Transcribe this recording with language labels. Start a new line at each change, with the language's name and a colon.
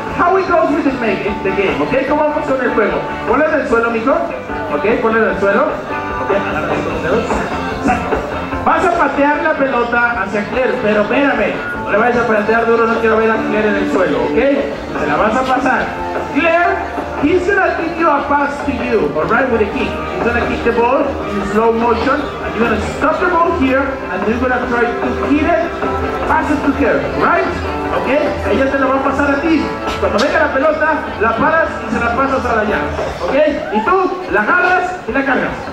English: How it goes with the game,
Spanish: ¿ok? ¿Cómo vamos con el juego? Ponle en el suelo, mijo. Ok, ponle en el suelo. Ok, agarra los dedos. Vas a patear la pelota hacia Claire, pero espérame. No le vayas a patear duro, no quiero ver a Claire en el suelo, ¿ok? Se la vas a pasar.
English: Claire, he's gonna give you a pass to you, alright, with a kick. He's gonna kick the ball in slow motion. You're gonna stop the ball here, and you're gonna try to hit it, pass it to her, right?
Spanish: Okay? Ella te la va a pasar a ti. Cuando venga la pelota, la paras y se la pasas a la llave. Okay? Y tú, la agarras y la cargas.